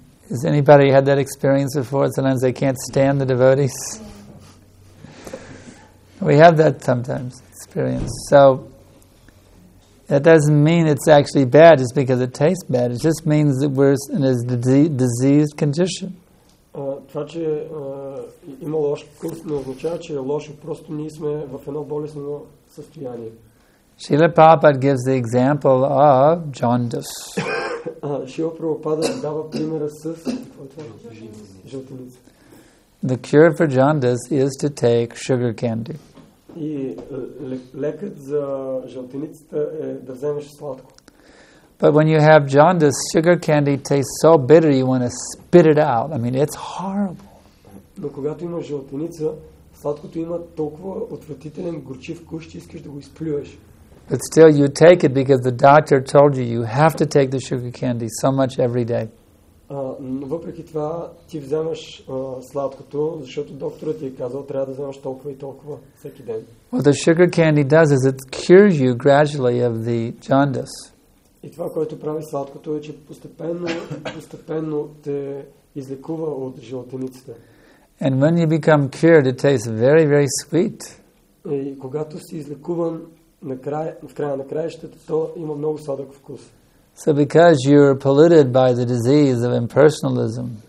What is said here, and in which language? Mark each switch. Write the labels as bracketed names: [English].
[English] Has anybody had that experience before? Sometimes they can't stand the devotees. We have that sometimes experience. So that doesn't mean it's actually bad just because it tastes bad. It just means that we're in a diseased condition. [Bulgarian] Това, че има лош вкус, не означава, че е лошо. Просто ние сме в едно болесно състояние. [English] Srila Prabhupada gives the example of jaundice. [Bulgarian] Шрила Прабхупада дава примера с жълтолица. [English] The cure for jaundice is to take sugar candy. [Bulgarian] И лекът за жълтеницата е да вземеш сладко. [English] But when you have jaundice, sugar candy tastes so bitter you want to spit it out. I mean, it's horrible. [Bulgarian] Но когато имаш жълтеница, сладкото има толкова отвратителен горчив вкус, че искаш да го изплюеш. [English] But still you take it because the doctor told you you have to take the sugar candy so much every day. [Bulgarian] Въпреки това ти вземаш сладкото, защото докторът ти е казал трябва да вземаш толкова и толкова всеки ден. [English] What the sugar candy does is it cures you gradually of the jaundice. [Bulgarian] И това, което прави сладкото, е че постепенно те излекува от жълтеницата. [English] And when you become cured it tastes very very sweet. [Bulgarian] И когато си излекуван в края на краищата, то има много сладък вкус. [English] So because you're polluted by the disease of impersonalism.